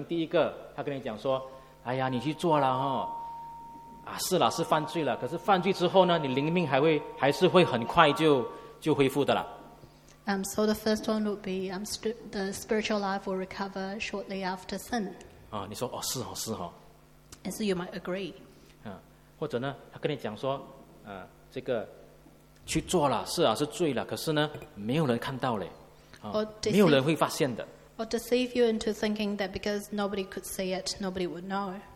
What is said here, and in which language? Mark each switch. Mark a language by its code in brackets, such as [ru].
[zh] 比如呢，好，给一些例子了啊，很多败坏的理由啊，叫你去犯罪的，我先很一般的了啊，就是可能第一个他跟你讲说。哎呀，你去做了哦，啊，是了，是犯罪了。可是犯罪之后呢，你灵命还会，还是会很快就恢复的了。 [en] So the first one would be the spiritual life will recover shortly after sin. [zh] 啊，你说哦，是哦，是哦。 [en] And so you might agree. [zh] 或者呢，他跟你讲说，这个去做了，是啊，是罪了，可是呢，没有人看到嘞，没有人会发现的。 [en] Or deceive you into thinking that because nobody could see it, nobody would know.